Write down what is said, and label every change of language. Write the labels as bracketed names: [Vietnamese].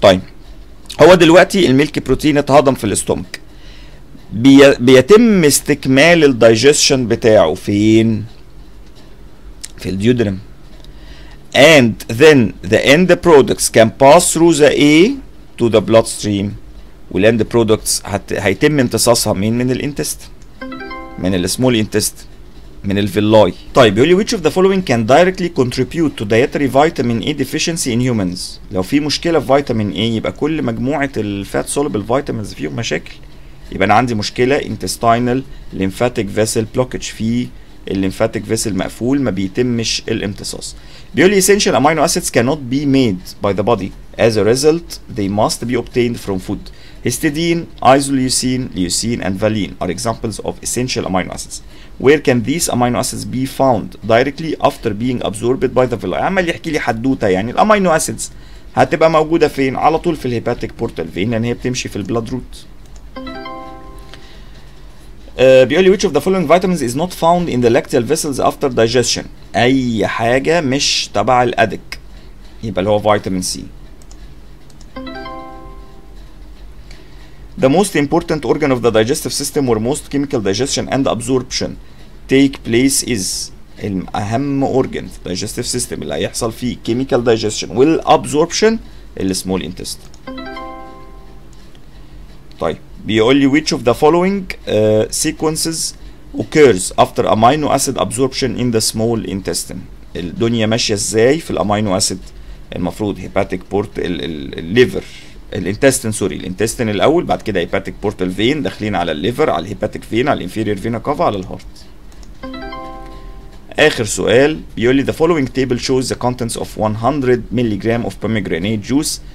[Arabic] طيب هو دلوقتي الميلك بروتين اتهضم في الاستومك, بيتم استكمال الدايجستشن بتاعه فين؟ في الديودرم. [English] And then the end products can pass through the A to the bloodstream. [Arabic] والاند برودكتس هيتم امتصاصها مين؟ من الانتست, من السمول انتست, من الفيلاي. طيب بيقول لي [English] which of the following can directly contribute to dietary vitamin A deficiency in humans. [Arabic] لو في مشكله في فيتامين A يبقى كل مجموعه الفات سولبل فيتامينز فيهم مشاكل, يبقى انا عندي مشكله انتستاينال ليمفاتيك فيسل بلوكج, في الليمفاتيك فيسل مقفول ما بيتمش الامتصاص. بيقول لي [English] essential amino acids cannot be made by the body, as a result they must be obtained from food. Histidine, isoleucine, leucine and valine are examples of essential amino acids. Where can these amino acids be found? Directly after being absorbed by the villi. [Arabic] عمال يحكي لي حدوتة, يعني الامينو اسيدز هتبقى موجودة فين؟ على طول في الهيباتيك بورتال فين, لان هي بتمشي في البلاد روت. بيقول لي [English] which of the following vitamins is not found in the lacteal vessels after digestion. [Arabic] اي حاجة مش تبع الادك يبقى اللي هو فيتامين سي. [English] The most important organ of the digestive system where most chemical digestion and absorption take place is, [Arabic] الأهم organ في digestive system اللي هيحصل فيه chemical digestion والabsorption اللي small intestine. [English] طيب بيقول لي which of the following sequences occurs after amino acid absorption in the small intestine. [Arabic] الدنيا ماشية ازاي في الأمينو أسيد؟ المفروض hepatic port, الليفر, الانتستين سوري, الانتستين الاول, بعد كده هيباتيك بورتال فين, داخلين على الليفر, على الهيباتيك فين, على الانفيرير فينا كافا, على الهارت. اخر سؤال بيقول لي [English] the following table shows the contents of 100 milligram of pomegranate juice.